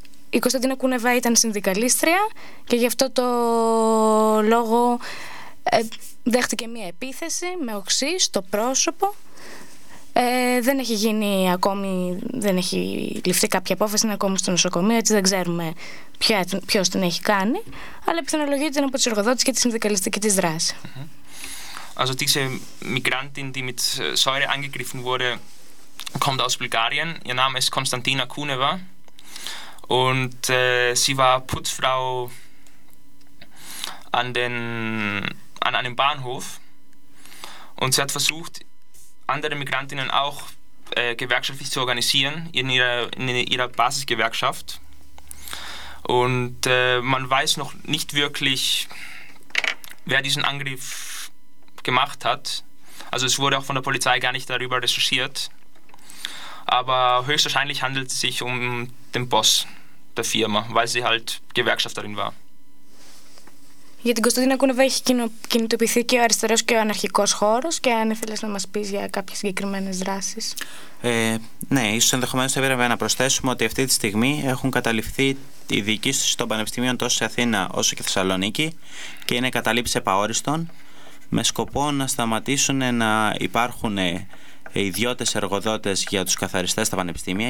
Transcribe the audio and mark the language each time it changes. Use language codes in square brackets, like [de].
[el] Η Κωνσταντίνα Κούνεβα ήταν συνδικαλίστρια και γι' αυτό το λόγο δέχτηκε μία επίθεση με οξύ στο πρόσωπο. Δεν έχει γίνει ακόμη, δεν έχει ληφθεί κάποια απόφαση, είναι ακόμη στο νοσοκομείο, έτσι δεν ξέρουμε ποιος την έχει κάνει, αλλά πιθανολογείται από τους εργοδότες και τη συνδικαλιστική της δράση. [de] Also diese Migrantin, die mit Säure angegriffen wurde, kommt aus Bulgarien. Ihr Name ist Konstantina Kuneva. Und sie war Putzfrau an einem Bahnhof und sie hat versucht, andere Migrantinnen auch gewerkschaftlich zu organisieren in ihrer Basisgewerkschaft. Und man weiß noch nicht wirklich, wer diesen Angriff gemacht hat. Also es wurde auch von der Polizei gar nicht darüber recherchiert. Aber höchstwahrscheinlich handelt es sich um den Boss der Firma, weil sie halt Gewerkschafterin war. [el] Για την Κωνσταντίνα Κούνεβα έχει κινητοποιηθεί και ο αριστερός και ο αναρχικός χώρος και αν ήθελες να μας πεις για κάποιες συγκεκριμένες δράσεις. Ναι, ίσως ενδεχομένως θα έπρεπε να προσθέσουμε ότι αυτή τη στιγμή έχουν καταληφθεί οι διοικήσεις των πανεπιστημίων τόσο σε Αθήνα όσο και Θεσσαλονίκη και είναι καταλήψεις επαόριστον με σκοπό να σταματήσουν να υπάρχουν ιδιώτες εργοδότες για τους καθαριστές στα πανεπιστήμια.